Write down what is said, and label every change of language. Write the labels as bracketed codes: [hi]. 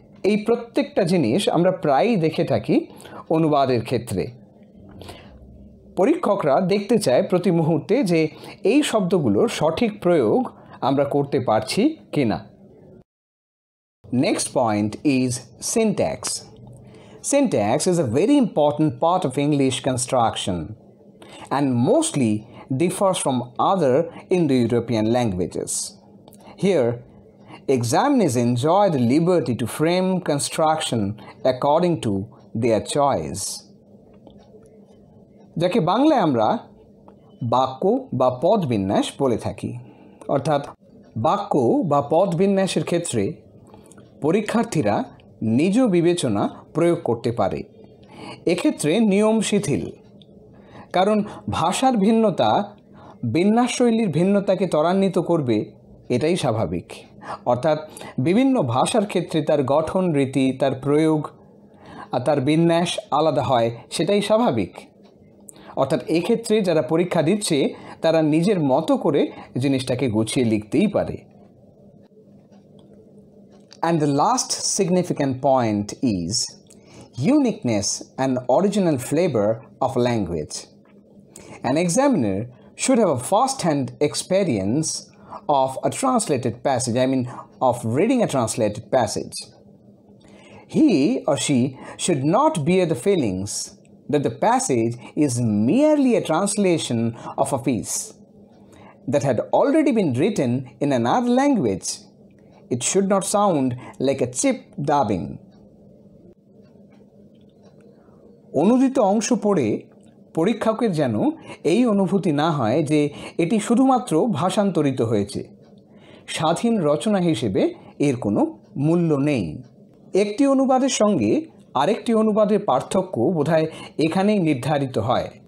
[bn] এই প্রত্যেকটা জিনিস আমরা প্রায়ই দেখে থাকি অনুবাদের ক্ষেত্রে। পরীক্ষকরা দেখতে চায় প্রতি মুহূর্তে যে এই শব্দগুলোর সঠিক প্রয়োগ আমরা করতে পারছি কি না। [en] Next point is syntax. Syntax is a very important part of English construction and mostly differs from other Indo-European languages. Here, examinees enjoy the liberty to frame construction according to their choice. [bn] Jake bangla amra bakko ba pod binnash bole thaki, orthat bakko ba pod binnasher khetre পরীক্ষার্থীরা নিজ বিবেচনা প্রয়োগ করতে পারে, এক্ষেত্রে নিয়ম শিথিল, কারণ ভাষার ভিন্নতা বিন্যাসশৈলীর ভিন্নতাকে ত্বরান্বিত করবে, এটাই স্বাভাবিক। অর্থাৎ বিভিন্ন ভাষার ক্ষেত্রে তার গঠন রীতি, তার প্রয়োগ আর তার বিন্যাস আলাদা হয়, সেটাই স্বাভাবিক। অর্থাৎ এক্ষেত্রে যারা পরীক্ষা দিচ্ছে তারা নিজের মতো করে জিনিসটাকে গুছিয়ে লিখতেই পারে। [en] And the last significant point is uniqueness and original flavor of language. An examiner should have a first-hand experience of a translated passage, of reading a translated passage. He or she should not bear the feelings that the passage is merely a translation of a piece. that had already been written in another language. It should not sound like a cheap dubbing. [bn] অনুদিত অংশ পড়ে পরীক্ষকের যেন এই অনুভূতি না হয় যে এটি শুধুমাত্র ভাষান্তরিত হয়েছে। স্বাধীন রচনা হিসেবে এর কোনো মূল্য নেই। একটি অনুবাদের সঙ্গে আরেকটি অনুবাদের পার্থক্য বোধহয় এখানেই নির্ধারিত হয়।